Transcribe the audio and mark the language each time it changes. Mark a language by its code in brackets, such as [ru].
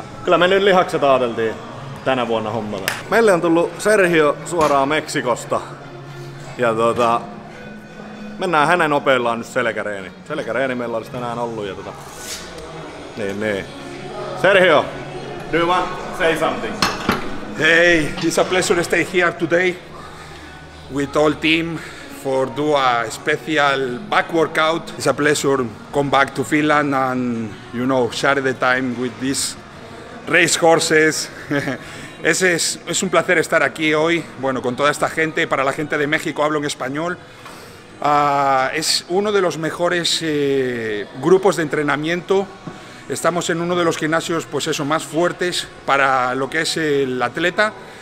[fi] Kyllä me nyt lihakset ajateltiin tänä vuonna hommalla. Meille on tullut Sergio suoraan Meksikosta ja mennään hänen opeillaan nyt selkäreeni. Selkäreeni meillä olisi tänään ollut ja Niin. [en] Sergio, do you want to say something? Hey, it's a pleasure to stay here today with all team for do a special back workout. It's a pleasure come back to Finland and, you know, share the time with these race horses. [es] Es un placer estar aquí hoy, bueno, con toda esta gente. Para la gente de México hablo en español. Es uno de los mejores grupos de entrenamiento. Estamos en uno de los gimnasios, pues eso, más fuertes para lo que es el atleta.